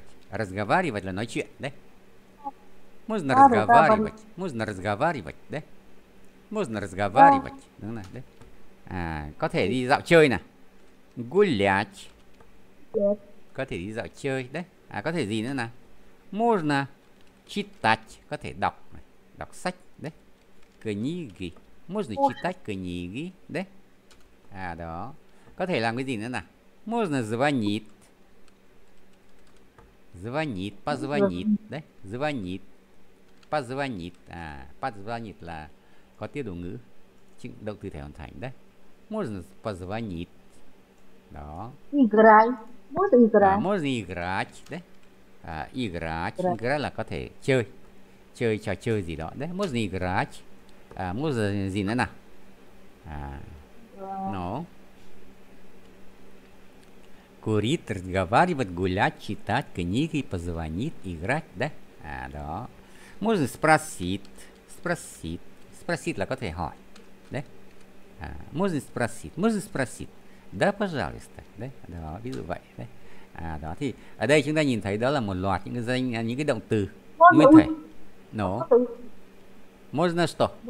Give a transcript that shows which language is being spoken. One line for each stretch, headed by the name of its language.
Russian: Разговаривать
Vietnamese: là nói chuyện đấy.
Russian: Можно разговаривать. Можно разговаривать, да? Можно разговаривать.
Vietnamese: Đúng rồi, đấy. Có thể đi dạo chơi nè.
Russian: Гулять.
Vietnamese: Có thể đi dạo chơi, đấy. Có thể gì nữa nè.
Russian: Можно читать.
Vietnamese: Có thể đọc. Đọc sách, đấy.
Russian: Книги. Можно читать книги, đấy.
Vietnamese: Đó. Có thể làm cái gì nữa nè.
Russian: Можно звонить. Звонить. Позвонить, đấy. Звонить. Позвонить
Vietnamese: là có tiêu đồ ngữ, động từ thể hoàn thành đấy.
Russian: Можно позвонить. Đó. Играть. Можно играть. Можно играть, đấy. Играть
Vietnamese: là có thể chơi. Chơi trò chơi gì đó, đấy.
Russian: Можно играть. Можно
Vietnamese: gì nữa nào? No.
Russian: Курить, разговаривать, гулять, читать, книги, позвонить, играть, да? Đó. Можно спросить. Спросить. Спросить
Vietnamese: là có thể hỏi.
Russian: Đấy. Можно спросить. Можно спросить. Да, пожалуйста. Đấy. Đó.
Vietnamese: Ví dụ vậy.
Russian: Đấy. Đó.
Vietnamese: Thì ở đây chúng ta nhìn thấy đó là một loạt những cái động từ nguyên thể.
Russian: No. Можно что?